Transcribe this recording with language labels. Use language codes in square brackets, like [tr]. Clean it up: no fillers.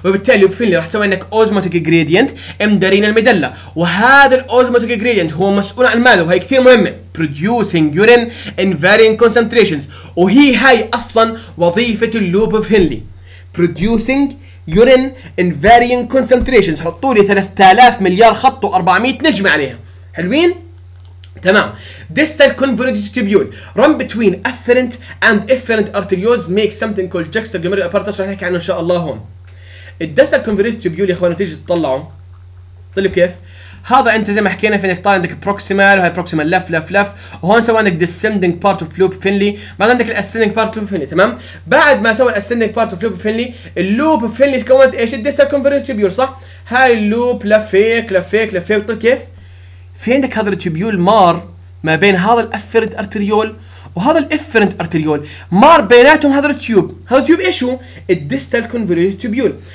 [ar] وبالتالي اللوب فينلي راح تسوي انك أوزموتيك gradient امدرين المدلة، وهذا الأوزموتيك gradient هو مسؤول عن ماله، وهي كثير مهمة، [en] producing urine in varying concentrations. [ar] وهي هاي أصلا وظيفة اللوب فينلي، [en] producing urine in varying concentrations. [ar] حطوا لي 3000 مليار خط و400 نجمة عليها، حلوين؟ تمام. [en] distal convoluted tubule run between afferent and efferent arterioles make something called juxtaglomerular apparatus، [ar] رح نحكي عنه ان شاء الله هون. distal convoluted tubule يا اخوان تيجي تطلعه طلعوا كيف هذا، انت زي ما حكينا في انك طال عندك بروكسيمال، وهي بروكسيمال لف لف لف، وهون سوى عندك [en] descending part of loop finley، [ar] بعد عندك الاسندنج بارت اوف finley. تمام، بعد ما سوى الاسندنج بارت اوف loop finley، اللوب finley تكونت ايش؟ الديستال كونفرت تيبيول صح؟ هاي اللوب لفيك لفيك لفيك، طيب كيف؟ في عندك هذا التيبيول مار ما بين هذا الافرنت ارتريول وهذا الافرنت ارتريول، مار بيناتهم هذا التيوب، هذا التيوب ايش هو؟ الديستال كونفرت تيبيول.